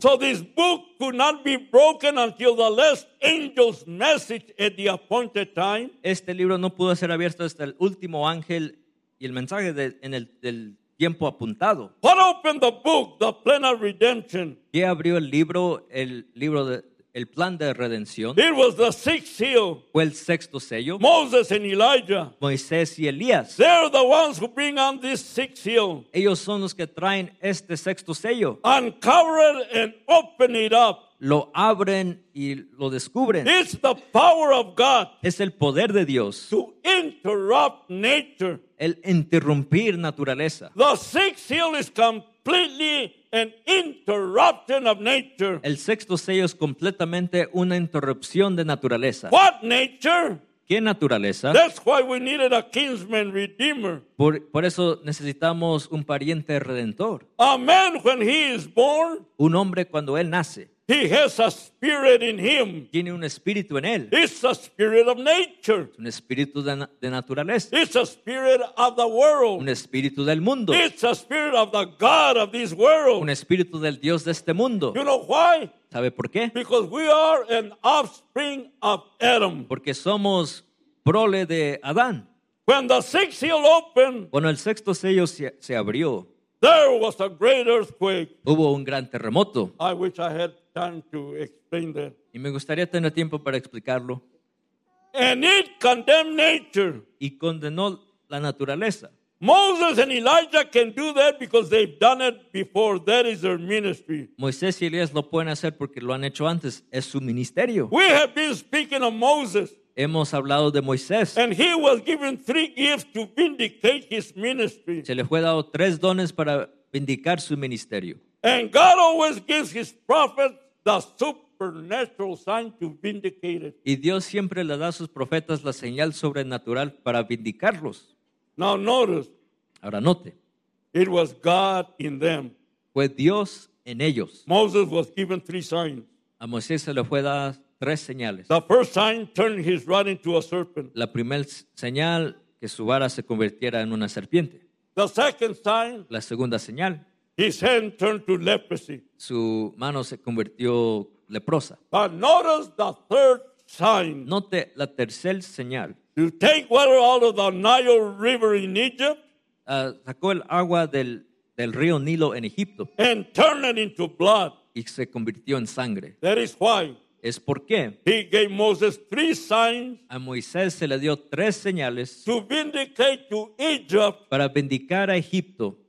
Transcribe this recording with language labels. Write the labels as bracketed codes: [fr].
[en] So this book could not be broken until the last angel's message at the appointed time. [es] Este libro no pudo ser abierto hasta el último ángel y el mensaje del tiempo apuntado. [en] What opened the book, the plan of redemption? [es] ¿Qué abrió el libro de el plan de redención? [en] It was the sixth seal. [es] Fue el sexto sello. [en] Moses and Elijah. [es] Moisés y Elías. [en] They're the ones who bring on this sixth seal. [es] Ellos son los que traen este sexto sello. [en] Uncover it and open it up. [es] Lo abren y lo descubren. [en] It's the power of God. [es] Es el poder de Dios. [en] To interrupt nature. [es] El interrumpir naturaleza. [en] The sixth seal is completely an interruption of nature. [es] El sexto sello es completamente una interrupción de naturaleza. [en] What nature? [es] ¿Qué naturaleza? [en] That's why we needed a kinsman redeemer. [es] Por eso necesitamos un pariente redentor. [en] A man when he is born, [es] un hombre cuando él nace, [en] he has a spirit in him. [es] Tiene un espíritu en él. [en] It's a spirit of nature. [es] Un espíritu de naturaleza. [en] It's a spirit of the world. [es] Un espíritu del mundo. [en] It's a spirit of the God of this world. [es] Un espíritu del Dios de este mundo. [en] You know why? [es] ¿Sabe por qué? [en] Because we are an offspring of Adam. [es] Porque somos prole de Adán. [en] When the sixth seal opened, [es] cuando el sexto sello se abrió, [en] there was a great earthquake. [es] Hubo un gran terremoto. [en] I wish I had time to explain that. [es] Y me gustaría tener tiempo para explicarlo. [en] And it condemned nature. [es] Y condenó la naturaleza. [en] Moses and Elijah can do that because they've done it before. That is their ministry. [es] Moisés y Elías lo pueden hacer porque lo han hecho antes. Es su ministerio. [en] We have been speaking of Moses. [es] Hemos hablado de Moisés. [en] And he was given three gifts to vindicate his ministry. [es] Se le fue dado tres dones para vindicar su ministerio. [en] And God always gives his prophets the supernatural sign to vindicate it. [es] Y Dios siempre le da a sus profetas la señal sobrenatural para vindicarlos. [en] Now notice. [es] Ahora note. [en] It was God in them. [es] Fue Dios en ellos. [en] Moses was given three signs. [es] A Moisés se le fue dado tres señales. [en] The first sign turned his rod into a serpent. [es] La primera señal que su vara se convirtiera en una serpiente. [en] The second sign. [es] La segunda señal. [en] His hand turned to leprosy. [es] Su mano se convirtió leprosa. [en] But notice the third sign. [es] Note la tercera señal. [en] To take water out of the Nile River in Egypt. [es] Sacó el agua del río Nilo en Egipto. [en] And turned it into blood. [es] Y se convirtió en sangre. [en] That is why. [es] Es porque [en] he gave Moses three signs. [es] A Moisés se le dio tres señales. [en] To vindicate to Egypt. [es] Para vindicar a Egipto.